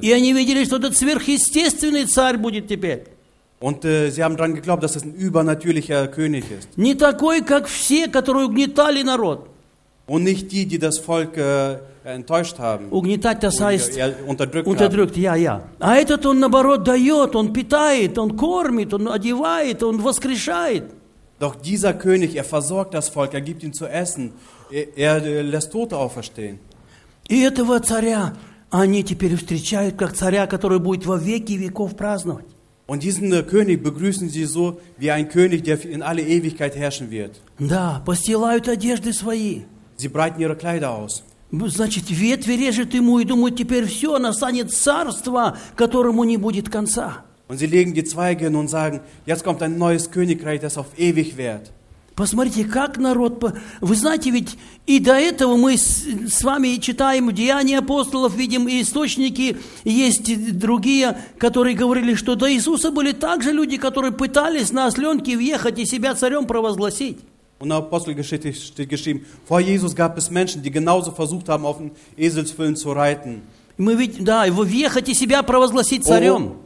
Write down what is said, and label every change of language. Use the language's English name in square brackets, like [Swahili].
[Russian] И они видели, что этот сверхъестественный царь будет теперь. [German] Und sie haben daran geglaubt, dass es ein übernatürlicher König ist. [Russian] Не такой, как все, которые угнетали народ. [German] Und nicht die das Volk enttäuscht haben. Угнетать, das heißt, unterdrückt, ja, ja. [Russian] А этот он, наоборот, дает, он питает, он кормит, он одевает, он воскрешает. [German] Doch dieser König, versorgt das Volk, gibt ihm zu essen, lässt Tote auferstehen. [Russian] И этого царя они теперь встречают, как царя, который будет во веки веков праздновать. [German] Und diesen König begrüßen sie so, wie ein König, der in alle Ewigkeit herrschen wird. [Russian] Да, постилают одежды свои. [German] Sie breiten ihre Kleider aus. [Russian] Значит, ветви режут ему и думают, теперь все, настанет царство, которому не будет конца. [German] Und sie legen die Zweige hin und sagen, jetzt kommt ein neues Königreich, das auf ewig währt. [Russian] Посмотрите, как народ... Вы знаете, ведь и до этого мы с вами читаем Деяния апостолов, видим и источники, есть другие, которые говорили, что до Иисуса были также люди, которые пытались на осленке въехать и себя царем провозгласить. [German] Und in Apostelgeschichte steht geschrieben, vor Jesus gab es Menschen, die genauso versucht haben, auf den Eselsfüllen zu reiten. [Russian] Мы ведь, да, въехать и себя провозгласить царем.